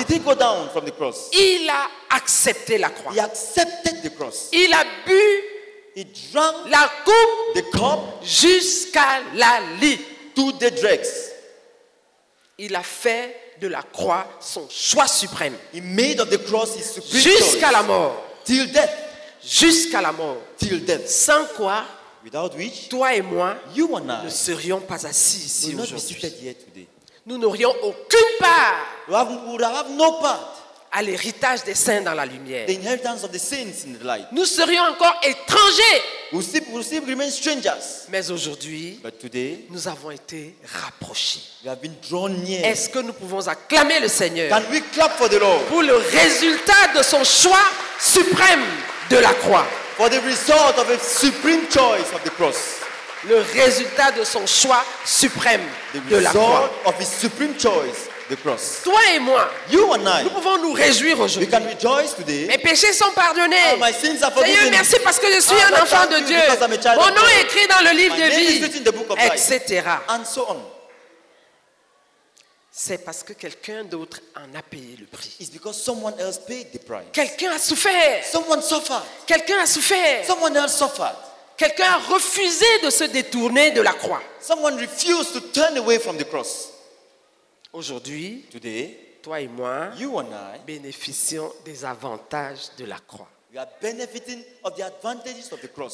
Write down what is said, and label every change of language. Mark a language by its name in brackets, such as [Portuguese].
[English] Did he go down from the cross? [French] Il a accepté la croix. [English] He accepted the cross. [French] Il a bu, [English] he drank [French] la coupe, [English] the cup, [French] jusqu'à la lie. [English] To the dregs. [French] Il a fait de la croix son choix suprême. [English] He made of the cross his supreme choice. [French] Jusqu'à la mort. [English] Till death. [French] Jusqu'à la mort. [English] Till death. [French] Sans quoi, [English] without which, [French] toi et moi, [English] you and I, [French] ne serions pas assis ici [English] will [French] aujourd'hui. [English] Not be seated here today. [French] nous n'aurions aucune part. [English] We would have no part. [French] À l'héritage des saints dans la lumière. [English] The inheritance of the saints in the light. [French] Nous serions encore étrangers. [English] We still remain strangers. [French] Mais aujourd'hui, [English] but today, [French] nous avons été rapprochés. [English] We have been drawn near. [French] Est-ce que nous pouvons acclamer le Seigneur? [English] Can we clap for the Lord? [French] Pour le résultat de son choix suprême de la croix. [English] For the result of his supreme choice of the cross. [French] Le résultat de son choix suprême [English] the [French] de la croix. [English] Of his supreme choice. The cross. [French] Toi et moi, [English] you and I, [French] nous pouvons nous réjouir aujourd'hui. [English] We can rejoice today. [French] Mes péchés sont pardonnés. [English] My sins are forgiven. [French] Seigneur, merci parce que je suis un enfant de Dieu. Mon nom est écrit dans le livre de vie, etc. [English] And so on. [French] C'est parce que quelqu'un d'autre en a payé le prix. [English] It's because someone else paid the price. [French] Quelqu'un a souffert. [English] Someone suffered. [French] Quelqu'un a souffert. [English] Someone else suffered. [French] Quelqu'un a refusé de se détourner de la croix. [English] Someone refused to turn away from the cross. [French] Aujourd'hui, [English] today, [French] toi et moi, [English] you and I, [French] bénéficions des avantages de la croix. [English] We are benefiting of the advantages of the cross.